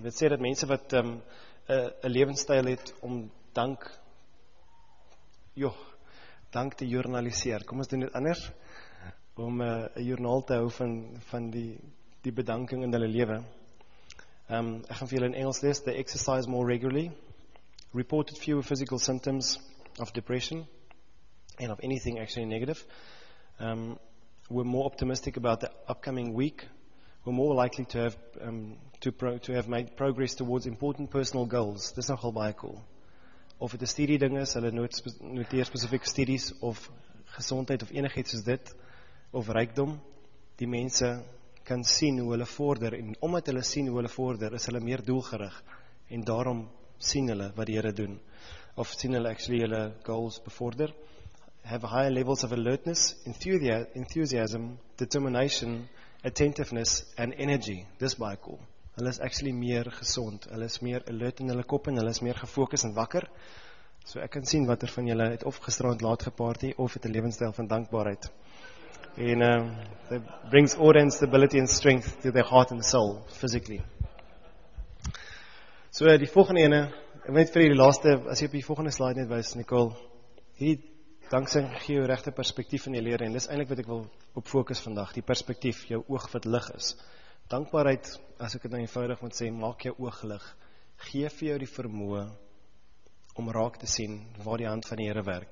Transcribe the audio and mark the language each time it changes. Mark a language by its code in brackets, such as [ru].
[af] Dit sê dat mense wat 'n lewenstyl het om dank te journaliseer. Kom ons doen dit anders. Om 'n joernaal te hou van die bedanking in hulle lewe. Ek gaan vir julle in Engels lees. [en] They exercise more regularly, reported fewer physical symptoms of depression and of anything actually negative. Were more optimistic about the upcoming week, were more likely to have made progress towards important personal goals. [af] Dis nou al baie cool. Of het 'n studie ding is, hulle noteer spesifieke studies of gesondheid of enigheid soos dit of rykdom, die mense kan sien hoe hulle vorder en omdat hulle sien hoe hulle vorder, is hulle meer doelgerig en daarom sien hulle wat die Here doen of sien hulle actually hulle goals bevorder. [en] Have higher levels of alertness, enthusiasm, determination, attentiveness and energy. [af] Dis baie cool. Hulle is actually meer gesond. Hulle is meer alert in hulle kop en hulle is meer gefokus en wakker. So ek kan sien watter van julle het of gisterand laat geparty of het 'n lewenstyl van dankbaarheid. [en] En it brings order and stability and strength to their heart and soul physically. [af] So die volgende ene, ek weet vir die laaste, as jy op die volgende slide net wys Nicole, hierdie danksing gee jou regte perspektief in die lewe en dis eintlik wat ek wil op fokus vandag, die perspektief, jou oog wat lig is. Dankbaarheid, as ek dit nou eenvoudig moet sê, maak jou oog lig. Gee vir jou die vermoë om raak te sien waar die hand van die Here werk.